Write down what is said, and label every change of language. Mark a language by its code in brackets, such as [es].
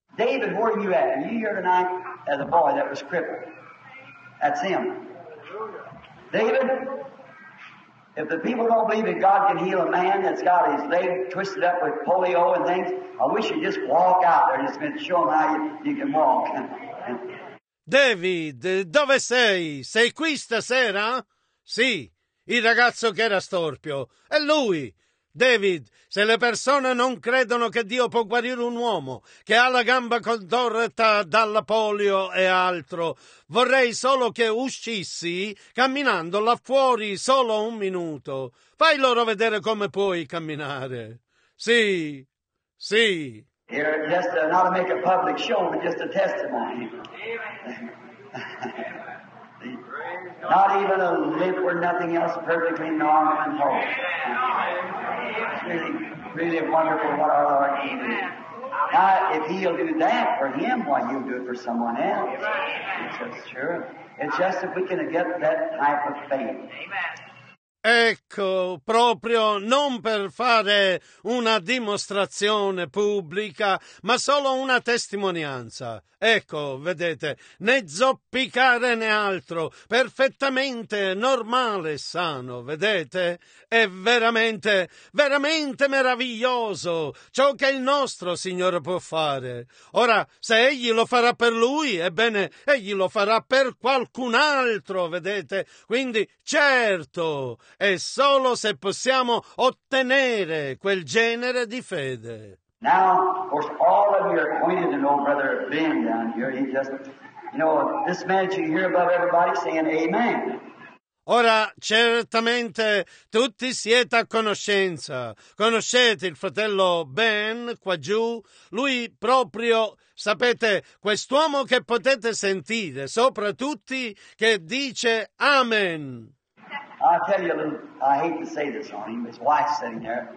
[en] David, where are you at? Are you here tonight? As a boy that was crippled. That's him. David, if the people don't believe that God can heal a man that's got his leg twisted up with polio and things, I wish you'd just walk out there and just been showing how you can walk. [it] David, dove sei? Sei qui stasera? Sì, il ragazzo che era storpio. È lui. David, se le persone non credono che Dio può guarire un uomo che ha la gamba contorta dalla polio e altro, vorrei solo che uscissi camminando là fuori solo un minuto. Fai loro vedere come puoi camminare. Sì, sì. [en] Here, just not to make a public show, but just a testimony. Not even a limp or nothing else, perfectly normal and whole. Really, really wonderful what our Lord can do. Now, if he'll do that for him, why, he'll do it for someone else. Amen. It's just sure. It's just if we can get that type of faith. Amen. [it] Ecco, proprio non per fare una dimostrazione pubblica, ma solo una testimonianza. Ecco, vedete, né zoppicare né altro, perfettamente normale e sano, vedete? È veramente, veramente meraviglioso ciò che il nostro Signore può fare. Ora, se egli lo farà per lui, ebbene, egli lo farà per qualcun altro, vedete? Quindi, certo, è solo se possiamo ottenere quel genere di fede. [en] Now, of course, all of you are acquainted to know Brother Ben down here. He just, you know, this man that you hear above everybody saying amen. [it] Ora, certamente tutti siete a conoscenza. Conoscete il fratello Ben qua giù? Lui proprio, sapete, quest'uomo che potete sentire, sopra tutti, che dice Amen. [en] I'll tell you a little, I hate to say this on him, his wife's sitting here.